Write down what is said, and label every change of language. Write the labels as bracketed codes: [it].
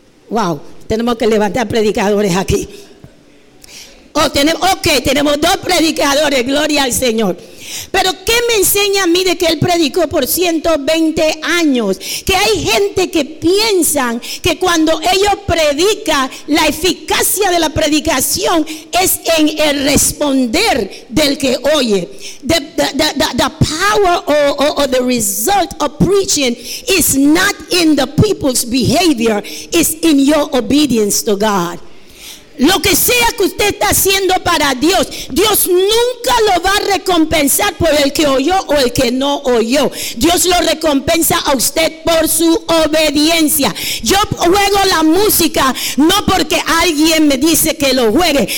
[es] Wow, tenemos que levantar predicadores aquí. Oh, tenemos, ok, tenemos dos predicadores, gloria al Señor. Pero ¿qué me enseña a mí de que Él predicó por 120 años? Que hay gente que piensan que cuando ellos predican, la eficacia de la predicación es en el responder del que oye. [en] The power or the result of preaching is not in the people's behavior, it's in your obedience to God. [es] Lo que sea que usted está haciendo para Dios, Dios nunca lo va a recompensar por el que oyó o el que no oyó. Dios lo recompensa a usted por su obediencia. Yo juego la música no porque alguien me dice que lo juegue.